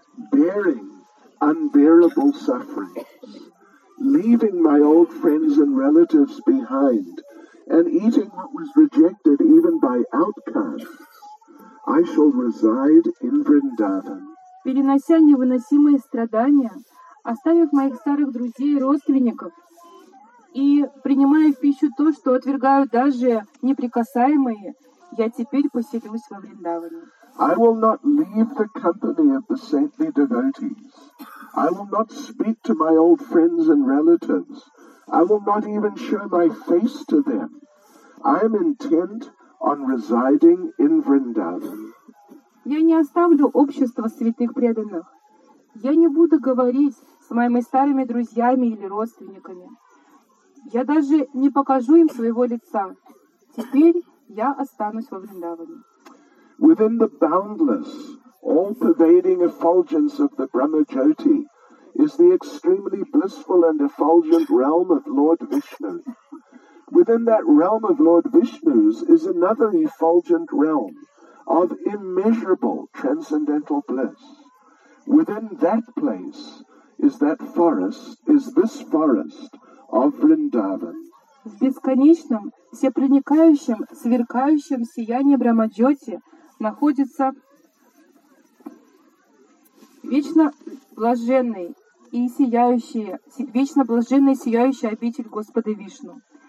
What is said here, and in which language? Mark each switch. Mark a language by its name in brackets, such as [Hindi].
[English] Bearing unbearable sufferings, leaving my old friends and relatives behind, and eating what was rejected even by outcasts, I shall reside in Vrindavan. [Russian] Перенося невыносимые страдания, оставив моих старых друзей и родственников, и принимая в пищу то, что отвергают даже неприкасаемые, я теперь поселюсь во Вриндаване. [English] I will not leave the company of the saintly devotees. I will not speak to my old friends and relatives. I will not even show my face to them. I am intent on residing in Vrindavan. [Russian] Я не оставлю общество святых преданных. Я не буду говорить с моими старыми друзьями или родственниками. Я даже не покажу им своего лица. Теперь я останусь во Вриндаване. [English] Within the boundless, all-pervading effulgence of the Brahma Jyoti is the extremely blissful and effulgent realm of Lord Vishnu. Within that realm of Lord Vishnu's is another effulgent realm of immeasurable transcendental bliss. Within that place is that forest, is this forest of Vrindavan. [Russian] В бесконечном, всепроникающем, сверкающем сиянии Брахмаджоти находится вечно блаженный и сияющий, вечно блаженный и сияющий обитель Господа Вишну.